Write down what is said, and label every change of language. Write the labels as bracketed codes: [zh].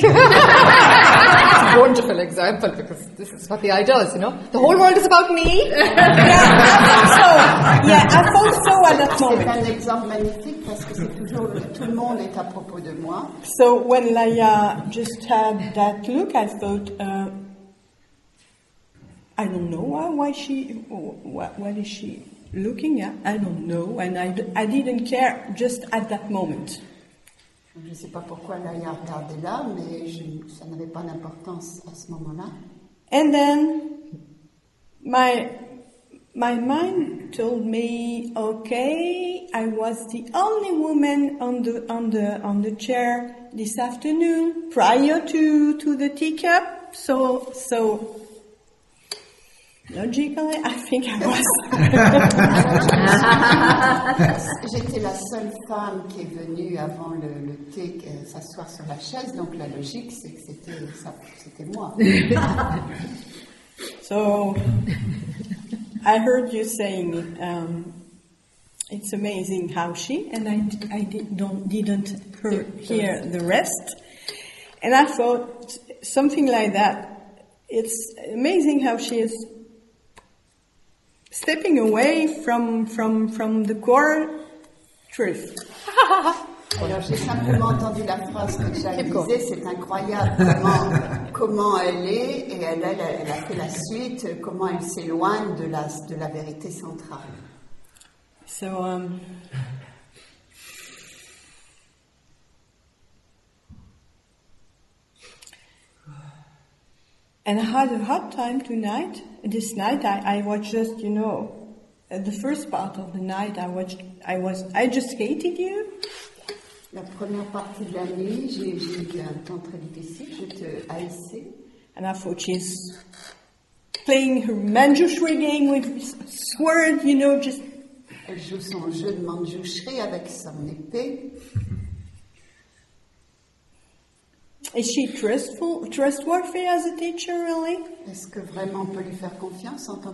[en] It's a wonderful example because this is what the eye does, you know. The whole world is about me. Yeah, I thought so at that moment. [fr] C'est un exemple magnifique parce que c'est toujours tout le monde est à propos de moi. [en] So when Laya just had that look, I thought, I don't know why she, what is she? Looking at, I don't know, and I didn't care just at that moment. [fr] Je ne sais pas pourquoi Laya regardait là, mais ça n'avait pas d'importance à ce moment-là. [en] And then my mind told me, okay, I was the only woman on the chair this afternoon prior to the teacup, so. Logically, I think I was. [fr] J'étais la seule femme qui est venue avant le thé s'asseoir sur la chaise, donc la logique c'est que c'était moi. [en] So, I heard you saying it's amazing how she, and I didn't hear the rest, and I thought something like that. It's amazing how she is stepping away from the core truth. [fr] Alors j'ai simplement entendu la phrase que j'avais disée, c'est incroyable comment elle est, et elle a fait la suite, comment elle s'éloigne de la vérité centrale. [en] So, and I had a hard time tonight. This night I was just, you know, the first part of the night I just hated you. [fr] La première partie de la nuit, j'ai eu un temps très difficile, je te haïssais. [en] And I thought she's playing her Manjushri game with sword, you know, just. [fr] Elle joue son jeu de Manjushri avec son épée. [en] Is she trustworthy as a teacher, really? [fr] Est-ce que vraiment on peut lui faire confiance en tant